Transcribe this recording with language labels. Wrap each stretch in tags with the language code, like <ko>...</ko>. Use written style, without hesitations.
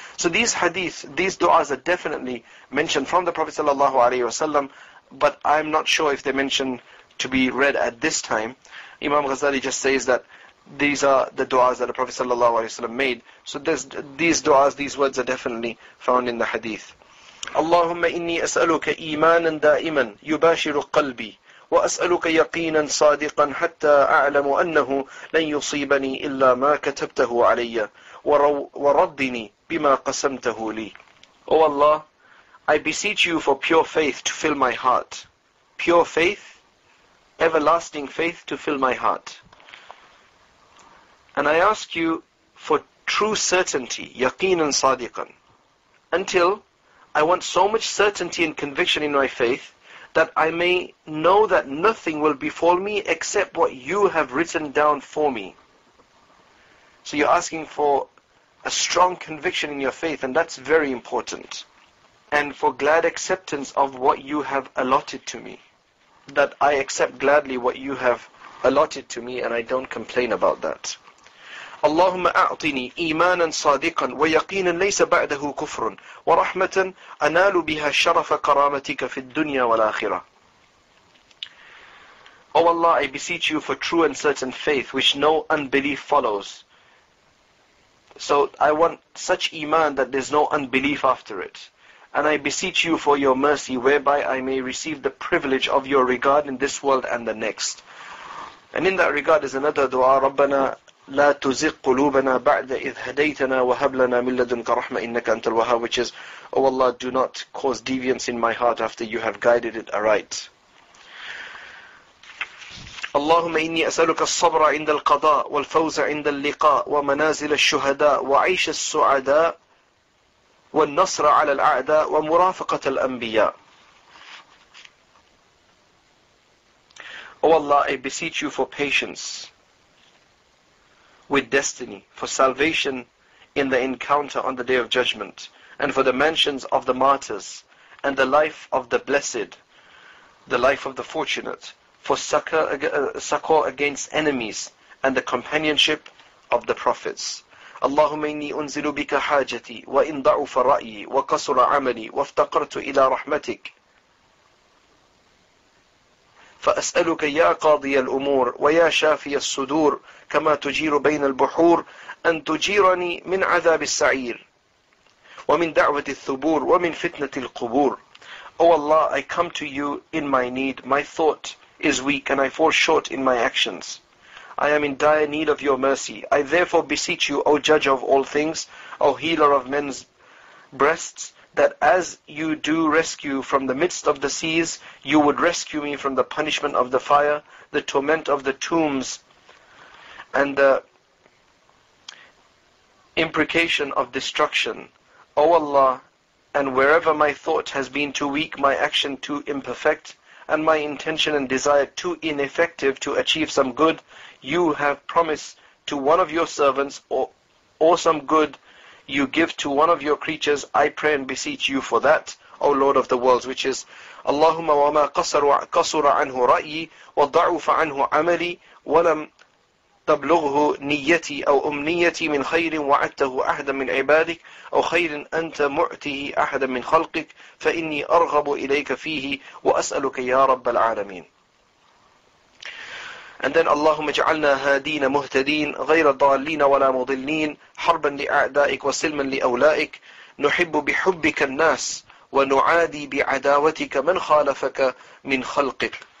<en>So these hadiths, these du'as are definitely mentioned from the Prophet sallallahu alaihi wasallam, but I'm not sure if they mentioned to be read at this time. Imam Ghazali just says that these are the du'as that the Prophet sallallahu alaihi wasallam made. So these du'as, these words are definitely found in the hadith.</en> <ar>Allahumma inni as'aluka imanan da'iman yubashiru qalbi وأسألك يقينا صادقا حتى أعلم أنه لن يصيبني إلا ما كتبته علي وردني بما قسمته لي.</ar> <en>O Allah, I beseech you for pure faith to fill my heart. Pure faith, everlasting faith to fill my heart. And I ask you for true certainty,</en> <ar>يقينا صادقا.</ar> <en>Until I want so much certainty and conviction in my faith, that I may know that nothing will befall me except what you have written down for me. So you're asking for a strong conviction in your faith, and that's very important. And for glad acceptance of what you have allotted to me. That I accept gladly what you have allotted to me, and I don't complain about that.</en> <ar>اللهم أعطني إيمانا صادقا ويقينا ليس بعده كفر ورحمة أنال بها شرف كرامتك في الدنيا والآخرة.</ar> <en>O Allah, I beseech you for true and certain faith which no unbelief follows. So I want such iman that there's no unbelief after it. And I beseech you for your mercy whereby I may receive the privilege of your regard in this world and the next. And in that regard is another dua,</en> <ar>ربنا لا تزغ قلوبنا بعد إذ هديتنا وهب لنا من لدنك رحمة إنك أنت الوهاب,</ar> <en>which is, O Allah, do not cause deviance in my heart after you have guided it aright.</en> <ar>اللهم إني أسألك الصبر عند القضاء والفوز عند اللقاء ومنازل الشهداء وعيش السعداء والنصر على الأعداء ومرافقة الأنبياء.</ar> <en>O Allah, I beseech you for patience with destiny, for salvation in the encounter on the Day of Judgment, and for the mansions of the martyrs, and the life of the blessed, the life of the fortunate, for succor against enemies, and the companionship of the prophets.</en> <ar>Allahumma inni unzilu bika hajati, wa in da'ufa ra'yi, wa qasura amali, wa iftaqartu ila rahmatik. فأسألك يا قاضي الأمور ويا شافي الصدور كما تجير بين البحور أن تجيرني من عذاب السعير ومن دعوة الثبور ومن فتنة القبور.</ar> <en>O Allah, I come to you in my need. My thought is weak and I fall short in my actions. I am in dire need of your mercy. I therefore beseech you, O judge of all things, O healer of men's breasts, that as you do rescue from the midst of the seas, you would rescue me from the punishment of the fire, the torment of the tombs, and the imprecation of destruction. O Allah, and wherever my thought has been too weak, my action too imperfect, and my intention and desire too ineffective to achieve some good, you have promised to one of your servants or some good you give to one of your creatures, I pray and beseech you for that, O Lord of the worlds, which is</en> <ar>Allahumma wa ma qasara anhu ra'yi wa da'ufa anhu amali wa lam تبلغه نيتي أو أمنيتي من خير وعدته أحدا من عبادك أو خير أنت معته أحدا من خلقك فإني أرغب إليك فيه وأسألك يا رب العالمين.</ar> <en>And then</en> <ar>اللهم اجعلنا هادين مهتدين غير ضالين ولا مضلين حربا لأعدائك وسلما لأولائك نحب بحبك الناس ونعادي بعداوتك من خالفك من خلقك.</ar>